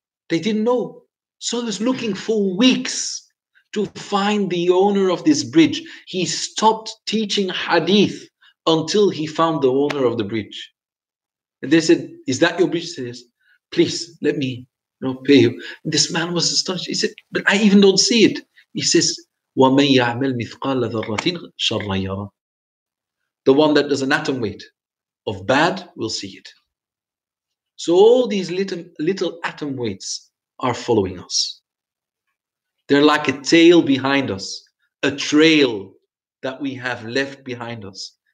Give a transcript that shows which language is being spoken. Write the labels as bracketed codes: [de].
[en] They didn't know. So he was looking for weeks to find the owner of this bridge. He stopped teaching hadith until he found the owner of the bridge. And they said, is that your bridge? He says, please, let me, you know, pay you. And this man was astonished. He said, but I even don't see it. He says, [ar] وَمَنْ يَعْمَلْ مِثْقَالَ ذَرَّةٍ شَرَّ يَرَى. [en] The one that does an atom weight of bad will see it. So all these little atom weights are following us. They're like a tail behind us, a trail that we have left behind us.